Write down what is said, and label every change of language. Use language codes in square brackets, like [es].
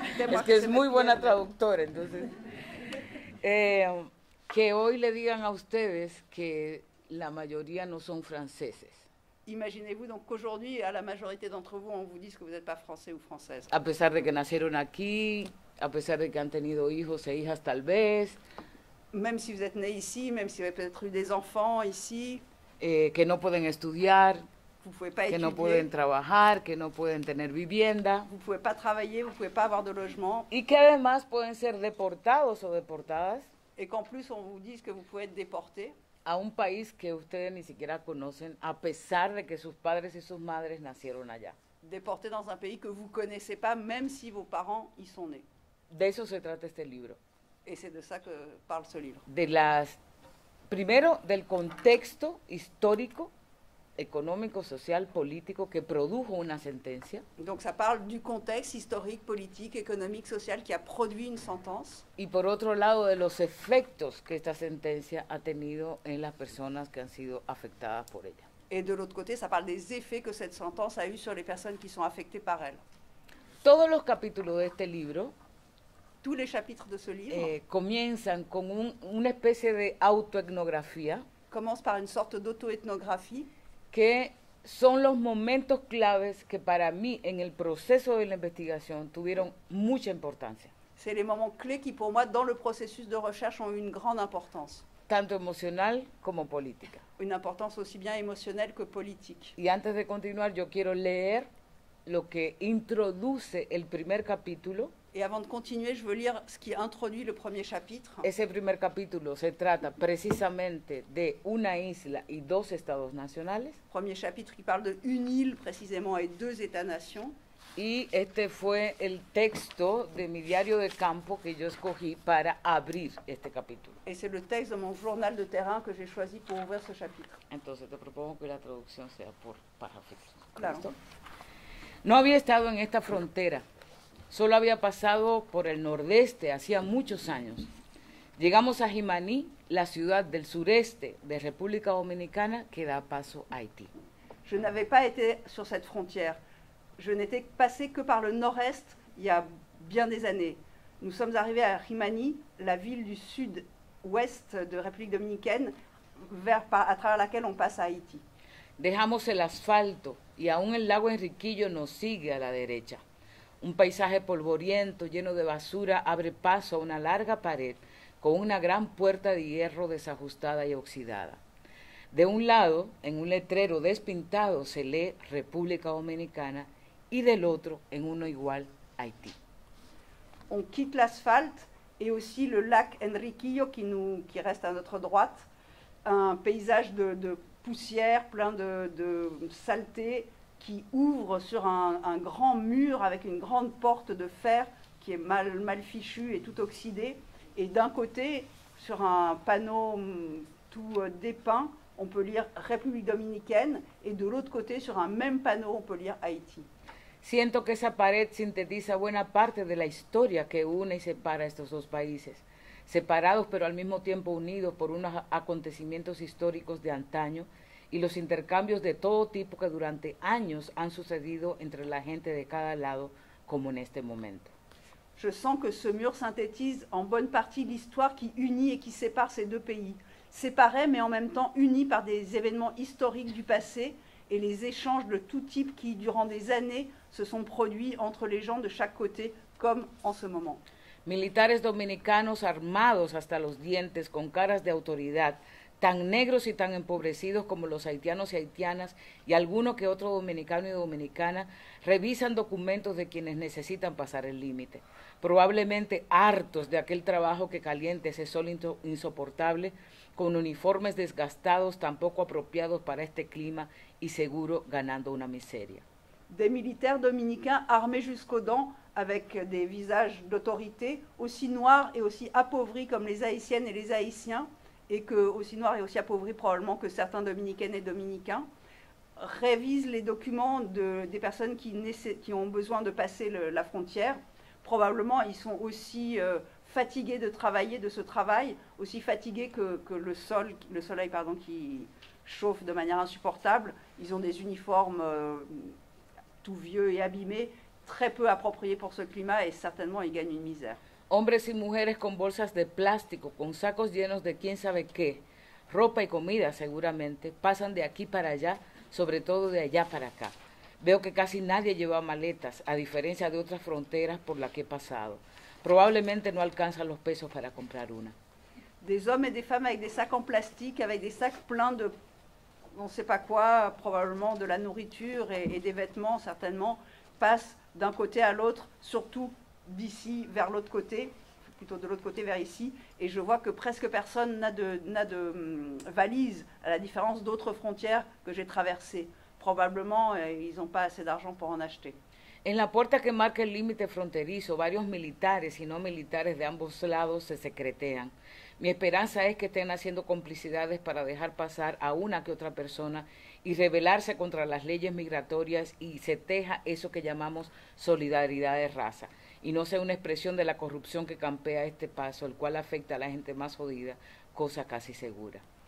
[es] Es que es muy buena traductora, entonces. Que hoy le digan a ustedes que la mayoría no son franceses. [fr] Imaginez-vous donc qu'aujourd'hui, à la majorité d'entre vous, on vous dise que vous n'êtes pas français ou française. [es] A pesar de que nacieron aquí, a pesar de que han tenido hijos e hijas tal vez. [fr] Même si vous êtes né ici, même si vous avez peut-être eu des enfants ici. [es] Que no pueden estudiar, [fr] vous pouvez pas [es] que [fr] étudier, [es] no pueden trabajar, que no pueden tener vivienda. [fr] Vous pouvez pas travailler, vous pouvez pas avoir de logement. [es] Y que además pueden ser deportados o deportadas. [fr] Et qu'en plus on vous dise que vous pouvez être déporté. [es] A un país que ustedes ni siquiera conocen, a pesar de que sus padres y sus madres nacieron allá. [fr] Déporté dans un pays que vous connaissez pas, même si vos parents y sont nés. [es] De eso se trata este libro. [fr] Et c'est de ça que parle ce livre. [es] De las... Primero, del contexto histórico, económico, social, político que produjo una sentencia. [fr] Donc ça parle du contexte historique, politique, économique, social qui a produit une sentence. [es] Y por otro lado, de los efectos que esta sentencia ha tenido en las personas que han sido afectadas por ella. [fr] Et de l'autre côté, ça parle des effets que cette sentence a eu sur les personnes qui sont affectées par elle. [es] Todos los capítulos de este libro... [fr] Tous les chapitres de ce livre [es] comienzan con una especie de autoetnografía. [fr] Commence par une sorte d'autoethnographie. [es] Que son los momentos claves que para mí en el proceso de la investigación tuvieron mucha importancia. [fr] C'est les moments clés qui pour moi dans le processus de recherche ont une grande importance. [es] Tanto emocional como política. [fr] Une importance aussi bien émotionnelle que politique. [es] Y antes de continuar yo quiero leer lo que introduce el primer capítulo. [fr] Et avant de continuer, je veux lire ce qui introduit le premier chapitre. [es] Ese primer capítulo se trata precisamente de una isla y dos estados nacionales. [fr] Premier chapitre qui parle de une île précisément et deux états-nations. [es] Y este fue el texto de mi diario de campo que yo escogí para abrir este capítulo. [fr] Et c'est le texte de mon journal de terrain que j'ai choisi pour ouvrir ce chapitre. [es] Entonces te propongo que la traducción sea por paráfrasis. Claro. No había estado en esta frontera. Solo había pasado por el nordeste hacía muchos años. Llegamos a Jimaní, la ciudad del sureste de República Dominicana que da paso a Haití. [fr] Je n'avais pas été sur cette frontière. Je n'étais passé que par le nord-est il y a bien des années. Nous sommes arrivés à Jimaní, la ville du sud-ouest de République Dominicaine, à travers laquelle on passe à Haïti. [es] Dejamos el asfalto y aún el lago Enriquillo nos sigue a la derecha. Un paisaje polvoriento lleno de basura abre paso a una larga pared con una gran puerta de hierro desajustada y oxidada. De un lado, en un letrero despintado, se lee República Dominicana y del otro, en uno igual, Haití. [fr] On quitte l'asphalte et aussi le lac Enriquillo qui reste à notre droite. un paysage de poussière, plein de saleté, qui ouvre sur un grand mur avec une grande porte de fer qui est mal fichue et tout oxydée. Et d'un côté, sur un panneau tout dépeint, on peut lire République dominicaine. Et de l'autre côté, sur un même panneau, on peut lire Haïti. [es] Siento que esa pared sintetiza buena parte de la historia que une y separa estos dos países, separados pero al mismo tiempo unidos por unos acontecimientos históricos de antaño y los intercambios de todo tipo que durante años han sucedido entre la gente de cada lado, como en este momento. [fr] Je sens que ce mur synthétise en bonne partie l'histoire qui unit et qui sépare ces deux pays, séparés mais en même temps unis par des événements historiques du passé et les échanges de tout type qui, durant des années, se sont produits entre les gens de chaque côté, comme en ce moment. [es] Militares dominicanos armados hasta los dientes, con caras de autoridad, tan negros y tan empobrecidos como los haitianos y haitianas, y alguno que otro dominicano y dominicana, revisan documentos de quienes necesitan pasar el límite. Probablemente hartos de aquel trabajo que calienta ese sol insoportable, con uniformes desgastados, tan poco apropiados para este clima, y seguro ganando una miseria. [fr] Des militaires dominicains armés jusqu'aux dents, avec des visages d'autorité, aussi noirs et aussi appauvris comme les Haïtiennes et les Haïtiens, et que aussi noirs et aussi appauvris probablement que certains dominicaines et dominicains, révisent les documents des personnes qui ont besoin de passer la frontière. Probablement, ils sont aussi fatigués de travailler de ce travail, aussi fatigués que le soleil, qui chauffe de manière insupportable. Ils ont des uniformes tout vieux et abîmé, très peu approprié pour ce climat et certainement il gagne une misère. [es] Hombres y mujeres con bolsas de plástico, con sacos llenos de quién sabe qué, ropa y comida seguramente, pasan de aquí para allá, sobre todo de allá para acá. Veo que casi nadie lleva maletas, a diferencia de otras fronteras por las que he pasado. Probablemente no alcanzan los pesos para comprar una. [fr] Des hommes et des femmes avec des sacs en plastique, avec des sacs pleins de on ne sait pas quoi, probablement de la nourriture et des vêtements, certainement, passent d'un côté à l'autre, surtout d'ici vers l'autre côté, plutôt de l'autre côté vers ici, et je vois que presque personne n'a de valise, à la différence d'autres frontières que j'ai traversées. Probablement, ils n'ont pas assez d'argent pour en acheter. [es] En la puerta que marca el límite fronterizo, varios militares y no militares de ambos lados se secretean. Mi esperanza es que estén haciendo complicidades para dejar pasar a una que otra persona y rebelarse contra las leyes migratorias y se teja eso que llamamos solidaridad de raza y no sea una expresión de la corrupción que campea este paso, el cual afecta a la gente más jodida, cosa casi segura.